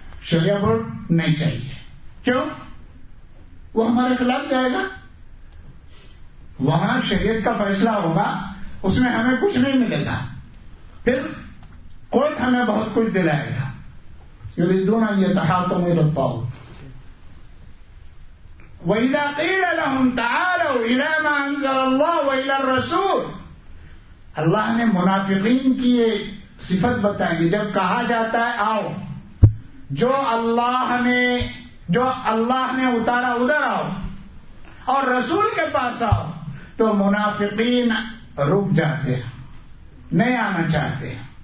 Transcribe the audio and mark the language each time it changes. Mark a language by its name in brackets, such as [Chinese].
[Urdu] شریعہ board نہیں چاہیے, کیوں؟ وہ ہمارے خلاف جائے گا, وہاں شریعت کا فیصلہ ہوگا, اس میں ہمیں کچھ نہیں ملے گا, پھر کوئی ہمیں بہت کچھ دلائے گا. [Arabic] یریدون ان یتحاکموا الى الطاغوت واذا قیل لهم تعالوا الى ما انزل الله والى الرسول. [Urdu] اللہ نے منافقین کی یہ صفت بتائی, جب کہا جاتا ہے آؤ, جو اللہ نے اتارا ادھر آؤ اور رسول کے پاس آؤ, تو منافقین رک جاتے ہیں, نہیں آنا چاہتے ہیں.